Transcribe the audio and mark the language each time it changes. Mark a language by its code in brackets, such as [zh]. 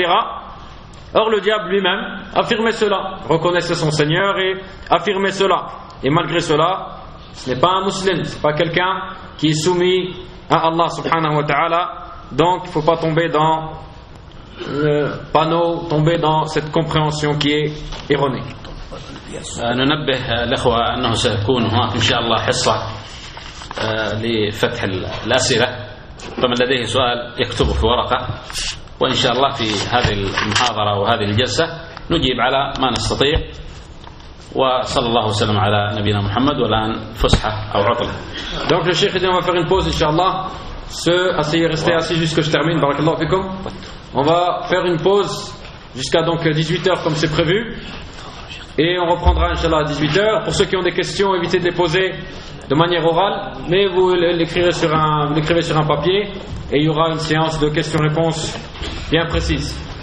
[fr] Or le diable lui-même affirmait cela, reconnaissait son Seigneur et affirmait cela, et malgré cela ce n'est pas un musulman, ce n'est pas quelqu'un qui est soumis à Allah subhanahu wa ta'ala. Donc il ne faut pas tomber dans le panneau, tomber dans cette compréhension qui est erronée. [ar] ننبه الأخوة أنه سيكون هناك إن شاء الله حصة لفتح الأسئلة, فمن لديه سؤال يكتبه في ورقة, وإن شاء الله في هذه المحاضرة وهذه الجلسة نجيب على ما نستطيع. وصلى الله وسلم على نبينا محمد, والآن فسحة أو عطلة. دونك الشيخ إذا ما فيه البوز إن شاء الله [fr] restez assis jusqu'à ce que je termine, [ar] barakallahu fikum. [fr] On va faire une pause jusqu'à donc 18h comme c'est prévu, et on reprendra inchallah à 18h. Pour ceux qui ont des questions, évitez de les poser de manière orale, mais vous l'écrivez sur un papier, et il y aura une séance de questions-réponses bien précise.